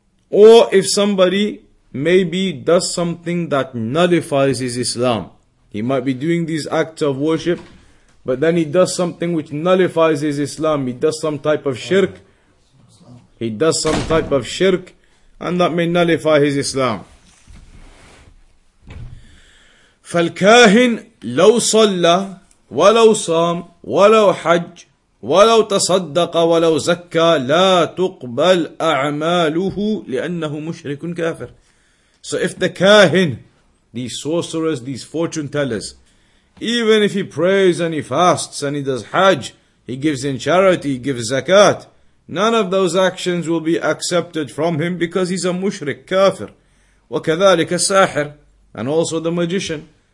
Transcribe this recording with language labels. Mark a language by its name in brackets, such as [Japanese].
[English] Or if somebody maybe does something that nullifies his Islam, he might be doing these acts of worship, but then he does something which nullifies his Islam. He does some type of shirk. He does some type of shirk, and that may nullify his Islam. [Arabic] فالكاهن لو صلى ولو صام ولو حج ولو تصدق ولو زكى لا تقبل أعماله لأنه مشرك كافر. [English] So if the kahin, these sorcerers, these fortune tellers, even if he prays and he fasts and he does hajj, he gives in charity, he gives zakat, none of those actions will be accepted from him because he's a mushrik, kafir. [Arabic] وَكَذَلِكَ السَّاحِرِ. [English] And also the magician.